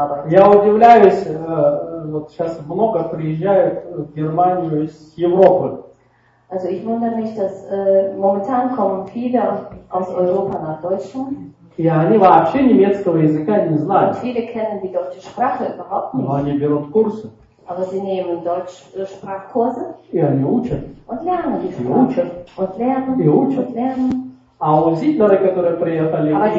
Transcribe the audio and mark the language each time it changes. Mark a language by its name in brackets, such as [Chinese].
[Russian] Я удивляюсь, вот сейчас много приезжают в Германию из Европы. [German] Also ich wundere mich, dass momentan kommen viele aus Europa nach Deutschland. [Russian] И они вообще немецкого языка не знают. [German] Viele kennen die deutsche Sprache überhaupt nicht. [Russian] Но они берут курсы. [German] Aber sie nehmen Deutschsprachkurse. [Russian] И они учат. [German] Und lernen die Sprache. [Russian] И учат. [German] Und lernen. [Russian] И учат. [German] Und lernen. [Russian] А аусидлеры, которые приехали,